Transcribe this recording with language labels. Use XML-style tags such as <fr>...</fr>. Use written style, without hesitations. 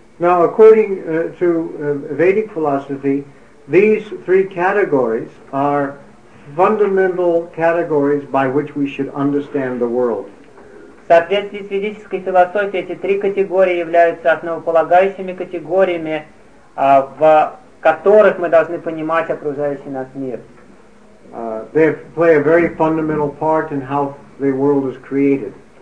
<en>Now, according to Vedic philosophy, these three categories are fundamental categories by which we should understand the world.</en> <ru>В соответствии с ведической философией, эти три категории являются основополагающими категориями, в которых мы должны понимать окружающий нас мир.</ru> <en>They play a very fundamental part in how the world is created.</en>